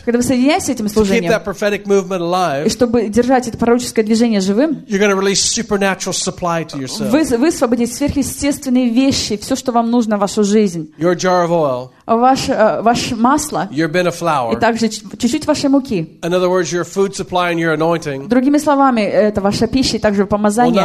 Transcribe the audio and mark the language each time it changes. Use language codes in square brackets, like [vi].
[ru] когда вы соединяетесь с этим служением, [en] to keep that prophetic movement alive, [ru] и чтобы держать это пророческое движение живым, [en] you're going to release supernatural supply to yourself. [ru] Вы освободите сверхъестественное естественные вещи, все, что вам нужно в вашу жизнь. [en] Your jar of oil. [ru] Ваш масло. [en] Your bin of flour. [ru] И также чуть-чуть вашей муки. [en] In other words, your food supply and your anointing. [ru] Другими словами, это ваша пища и также помазание.